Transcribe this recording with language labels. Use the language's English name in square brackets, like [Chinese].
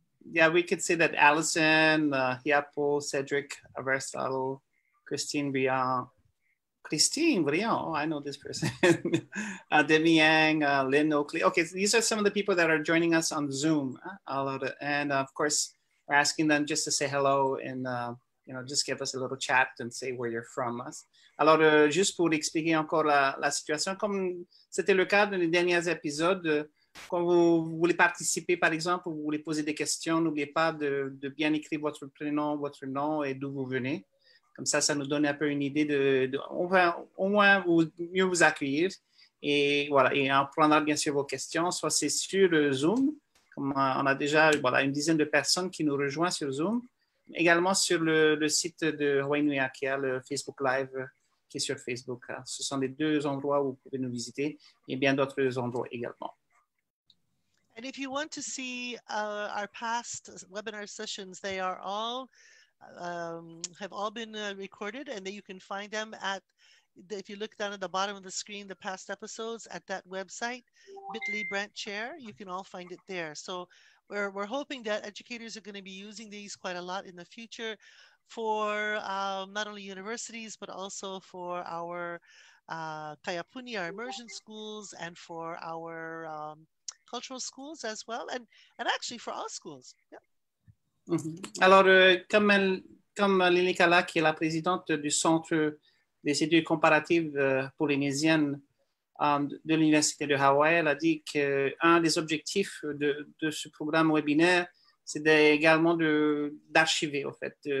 [English] yeah, we could say that Allison, Hiapo, Cedric, Aristotle, Christine Briand, oh, I know this person, Demi Yang, Lynn Oakley. Okay, so these are some of the people that are joining us on Zoom. And of course, we're asking them just to say hello and, you know, just give us a little chat and say where you're from us. [French] Alors, juste pour expliquer encore la situation, comme c'était le cas dans les derniers épisodes, quand vous voulez participer, par exemple, vous voulez poser des questions, n'oubliez pas de bien écrire votre prénom, votre nom et d'où vous venez. Comme ça, ça nous donne un peu une idée de enfin, au moins mieux vous accueillir. Et voilà, et on prendra bien sûr vos questions, soit c'est sur Zoom, comme on a déjà voilà, une dizaine de personnes qui nous rejoignent sur Zoom, également sur le site de inuiākea, le Facebook Live qui est sur Facebook. Ce sont les deux endroits où vous pouvez nous visiter et bien d'autres endroits également. [English] And if you want to see our past webinar sessions, they are all have all been recorded, and that you can find them at, if you look down at the bottom of the screen, the past episodes at that website, bit.ly Brandt Chair, you can all find it there. So we're hoping that educators are going to be using these quite a lot in the future for not only universities, but also for our Kaiapuni, our immersion schools, and for our cultural schools as well, and actually for all schools. Yep. [French] Alors, comme Lilikalā, qui est la présidente du Centre des études comparatives polynésiennes de l'Université de Hawaï, elle a dit qu'un des objectifs de ce programme webinaire, c'est également d'archiver, en fait.